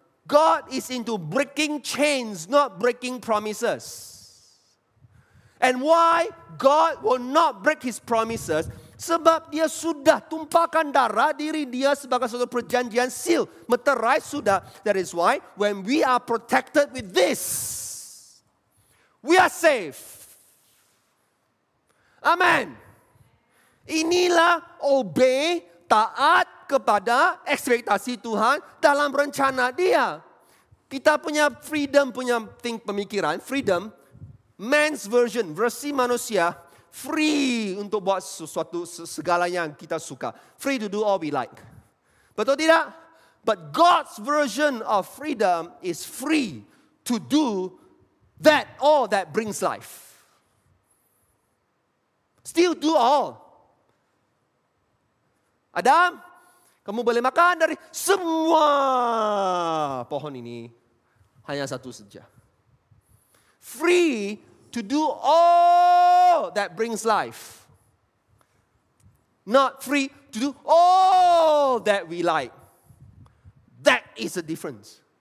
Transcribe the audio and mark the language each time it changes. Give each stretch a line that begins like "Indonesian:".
English: God is into breaking chains, not breaking promises. And why God will not break his promises?
Malay: Sebab dia sudah tumpahkan darah diri dia sebagai suatu perjanjian seal, meterai sudah.
English: That is why when we are protected with this, we are safe.
Malay: Amen. Inilah obey, taat kepada ekspektasi Tuhan dalam rencana dia. Kita punya freedom, punya think pemikiran, freedom. man's version, versi manusia, free untuk buat sesuatu, segala yang kita suka.
English: Free to do all we like.
Malay: Betul tidak?
English: But God's version of freedom is free to do that all that brings life. Still do all.
Malay: Adam, kamu boleh makan dari semua pohon ini. Hanya satu saja.
English: Free to do all that brings life. Not free to do all that we like. That is the difference.